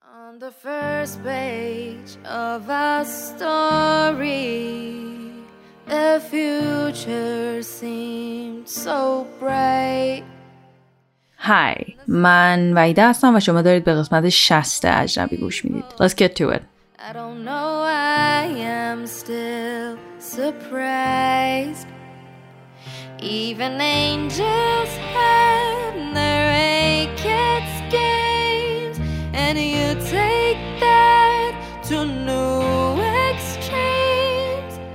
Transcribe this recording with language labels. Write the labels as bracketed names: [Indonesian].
[English] On the first page of our story, the future seemed so bright. [Persian] Hi, من وحیده هستم و شما دارید به قسمت 60 اجنبی گوش میدید. [English] Let's get to it. I don't know why I'm still surprised. Even angels had their naked games, and you take that to new extremes.